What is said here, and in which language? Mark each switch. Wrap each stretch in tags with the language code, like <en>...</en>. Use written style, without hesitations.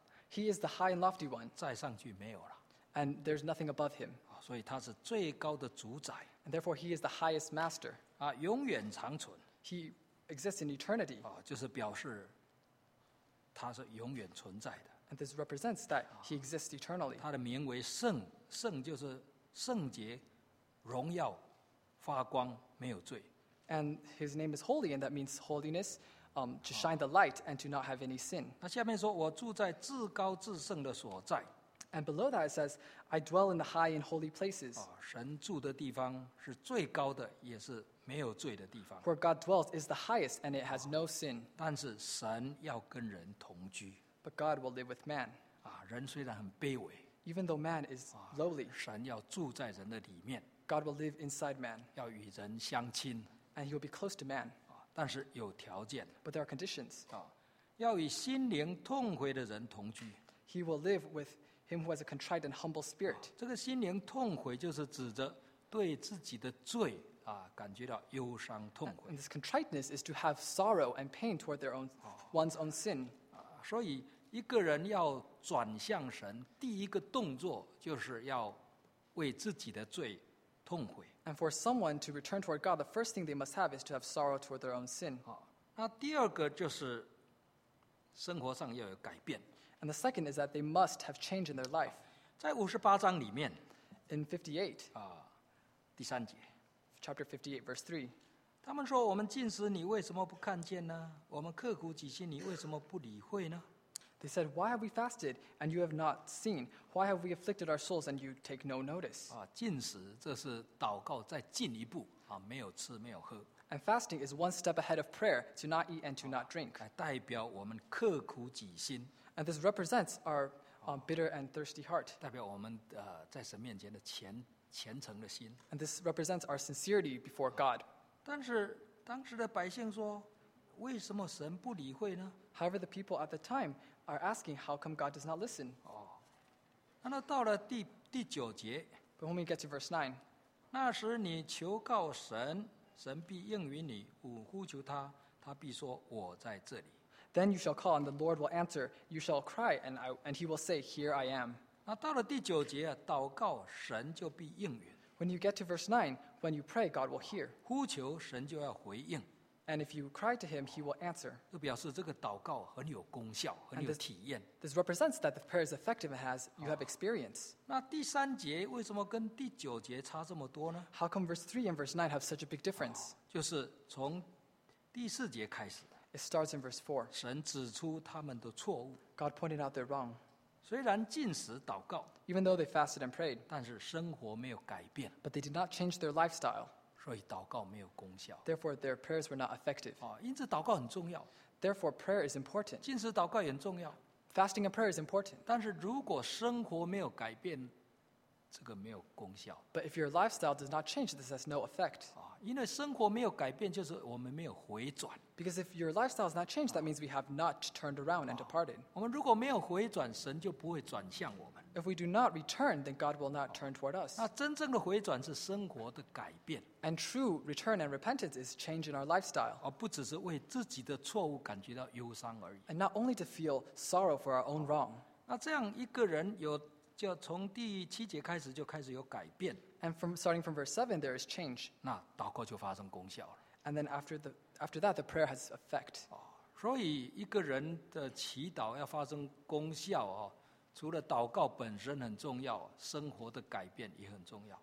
<en>He is the high and lofty one. And there's nothing above him. And therefore, he is the highest master.</en> <zh>永远长存,</zh> <en>he exists in eternity.</en> <zh>就是表示他是永远存在的,</zh> <en>and this represents that he exists eternally.</en> <zh>他的名为圣, 圣就是圣洁, 荣耀, 发光，没有罪。</zh> <en>And his name is holy, and that means holiness, to shine the light and to not have any sin.</en> <zh>那下面说，我住在至高至圣的所在。</zh> <en>And below that it says, I dwell in the high and holy places.</en> <zh>神住的地方是最高的，也是没有罪的地方。</zh> <en>Where God dwells is the highest, and it has no sin.</en> <zh>但是神要跟人同居。</zh> <en>But God will live with man.</en> <zh>人虽然很卑微。</zh> <en>Even though man is lowly,</en> <zh>神要住在人的里面。</zh> <en>God will live inside man.</en> <zh>要与人相亲。</zh> <en>And he will be close to man.</en> <zh>但是有条件。</zh> <en>But there are conditions.</en> <zh>要与心灵痛悔的人同居。</zh> <en>He will live with him who has a contrite and humble spirit.</en> <zh>这个心灵痛悔就是指着对自己的罪感觉到忧伤痛悔。</zh> <en>And this contriteness is to have sorrow and pain toward their own, one's own sin.</en> <zh>所以一个人要转向神，第一个动作就是要为自己的罪痛悔。</zh> <en>And for someone to return toward God, the first thing they must have is to have sorrow toward their own sin.</en> <zh>那第二个就是生活上要有改变。</zh> <en>And the second is that they must have change in their life.</en> <zh>在五十八章里面</zh> <en>，in 58,</en> <zh>第三节</zh> <en>，chapter 58, verse 3,</en> <zh>他们说：“我们禁食，你为什么不看见呢？我们刻苦己心，你为什么不理会呢？”</zh> <en>They said, "Why have we fasted and you have not seen? Why have we afflicted our souls and you take no notice?"</en> <zh>禁食这是祷告再进一步没有吃没有喝。</zh> <en>And fasting is one step ahead of prayer to not eat and to not drink.</en> <zh>代表我们刻苦己心。</zh> <en>And this represents our bitter and thirsty heart.</en> <zh>代表我们在神面前的虔诚的心。</zh> <en>And this represents our sincerity before God.</en> <zh>但是当时的百姓说，为什么神不理会呢？</zh> <en>However, the people at the time are asking, how come God does not listen?</en> <zh>那到了第九节。</zh> <en>But when we get to verse 9,</en> <zh>那时你求告神，神必应允你，吾呼求他，他必说，我在这里。</zh> <en>Then you shall call, and the Lord will answer. You shall cry, and he will say, Here I am.</en> <zh>到了第九节，祷告神就必应允。</zh> <en>When you get to verse 9, when you pray, God will hear.</en> <zh>呼求神就要回应。</zh> <en>And if you cry to him, he will answer.</en> <zh>就表示这个祷告很有功效，很有体验。</zh> <en>This represents that the prayer is effective and you have experience.</en> <zh>那第三节为什么跟第九节差这么多呢？</zh> <en>How come verse 3 and verse 9 have such a big difference?</en> <zh>就是从第四节开始。</zh> <en>It starts in verse 4.</en> <zh>神指出他们的错误。</zh> <en>God pointed out their wrong.</en> <zh>虽然禁食祷告。</zh> <en>Even though they fasted and prayed.</en> <zh>但是生活没有改变。</zh> <en>But they did not change their lifestyle.</en> <zh>所以祷告没有功效。</zh> <en>Therefore, their prayers were not effective.</en> <zh>因此祷告很重要。</zh> <en>Therefore, prayer is important.</en> <zh>禁食祷告也很重要。</zh> <en>Fasting and prayer is important.</en> <zh>但是如果生活没有改变，这个没有功效。</zh> <en>But if your lifestyle does not change, this has no effect.</en> <zh>因为生活没有改变，就是我们没有回转。</zh> <en>Because if your lifestyle has not changed, that means we have not turned around and departed.</en> <zh>我们如果没有回转，神就不会转向我们。</zh> <en>If we do not return, then God will not turn toward us.</en> <zh>那真正的回转是生活的改变。</zh> <en>And true return and repentance is change in our lifestyle.</en> <zh>不只是为自己的错误感觉到忧伤而已。</zh> <en>And not only to feel sorrow for our own wrong.</en> <zh>那这样一个人有就从第七节开始就开始有改变。</zh> <en>And from starting from verse 7, there is change.</en> <zh>那祷告就发生功效了。</zh> <en>And then after that, the prayer has effect.</en> <zh>所以一个人的祈祷要发生功效除了祷告本身很重要，生活的改变也很重要。</zh>